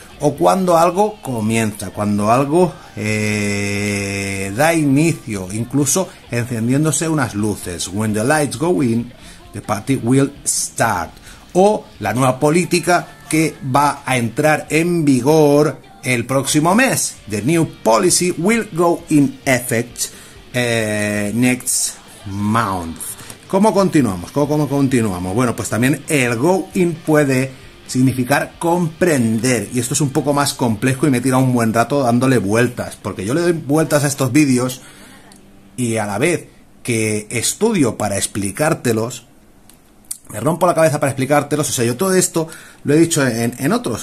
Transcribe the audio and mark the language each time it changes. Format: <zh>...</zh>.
<es>O cuando algo comienza, cuando algo da inicio, incluso encendiéndose unas luces.</es> <en>When the lights go in, the party will start.</en> <es>O la nueva política que va a entrar en vigor el próximo mes.</es> <en>The new policy will go in effect next month.</en> <es>¿Cómo continuamos? ¿Cómo continuamos? Bueno, pues también el go in puede significar comprender. Y esto es un poco más complejo y me he tirado un buen rato dándole vueltas. Porque yo le doy vueltas a estos vídeos y a la vez que estudio para explicártelos, me rompo la cabeza para explicártelos. O sea, yo todo esto lo he dicho en otros.</es>